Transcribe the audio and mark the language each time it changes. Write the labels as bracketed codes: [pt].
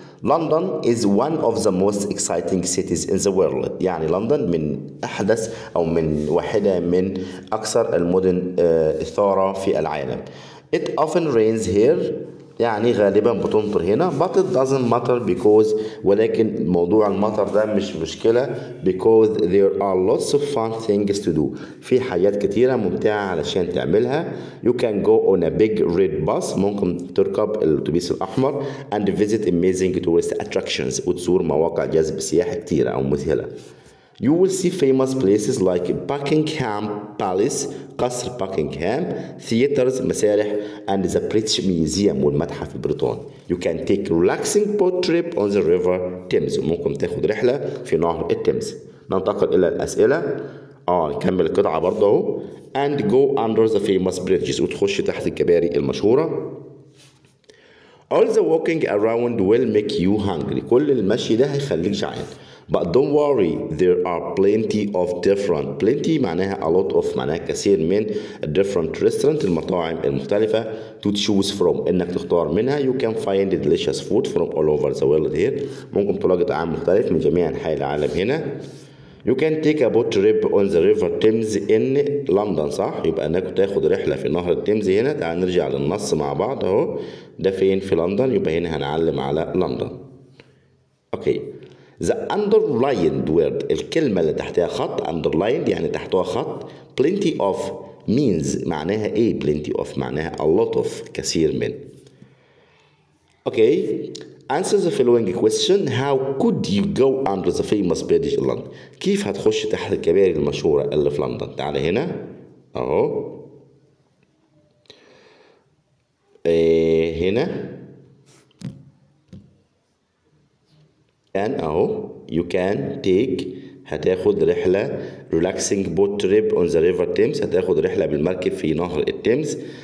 [en] London is one of the most exciting cities in the world. [ar] يعني لندن من أحدث أو من واحدة من أكثر المدن إثارة في العالم. [en] It often rains here. [ar] يعني غالبا بتمطر هنا. [en] But it doesn't matter because، [ar] ولكن موضوع المطر ده مش مشكلة. [en] Because there are lots of fun things to do. [ar] في حاجات كتيرة ممتعة علشان تعملها. [en] You can go on a big red bus. [ar] ممكن تركب الأتوبيس الأحمر. [en] And visit amazing tourist attractions. [ar] وتزور مواقع جذب سياحي كتيرة أو مذهلة. [en] You will see famous places like Buckingham Palace، [ar] قصر Buckingham، [en] theaters، [ar] مسارح، [en] and the British Museum، [ar] والمتحف البريطاني. [en] You can take a relaxing boat trip on the River Thames، [ar] ممكن تاخد رحلة في نهر التيمز. ننتقل إلى الأسئلة. نكمل القطعة برضه. [en] And go under the famous bridges، [ar] وتخش تحت الكباري المشهورة. [en] All the walking around will make you hungry، [ar] كل المشي ده هيخليك جعان. [en] But don't worry, there are plenty of different. Plenty [ar] معناها [en] a lot of، [ar] معناها كثير من [en] different restaurant، [ar] المطاعم المختلفة. [en] To choose from، [ar] إنك تختار منها. [en] You can find delicious food from all over the world here. [ar] ممكن تلاقي طعام مختلف من جميع أنحاء العالم هنا. [en] You can take a boat trip on the river Thames in London, [ar] صح؟ يبقى انك تاخد رحلة في نهر التيمز هنا. تعال نرجع للنص مع بعض اهو. ده فين؟ في لندن. يبقى هنا هنعلم على لندن. اوكي. [en] The underlined word، [ar] الكلمة اللي تحتها خط، [en] underlined [ar] يعني تحتها خط. [en] Plenty of means [ar] معناها ايه؟ [en] Plenty of [ar] معناها [en] a lot of، [ar] كثير من. اوكي. [en] Answer the following question: How could you go under the famous bridge in London? [ar] كيف هتخش تحت الكباري المشهورة اللي في لندن؟ تعال هنا اهو. هنا and اهو. [en] You can take، [ar] هتاخد رحلة [en] relaxing boat trip on the river Thames، [ar] هتاخد رحلة بالمركب في نهر التيمز.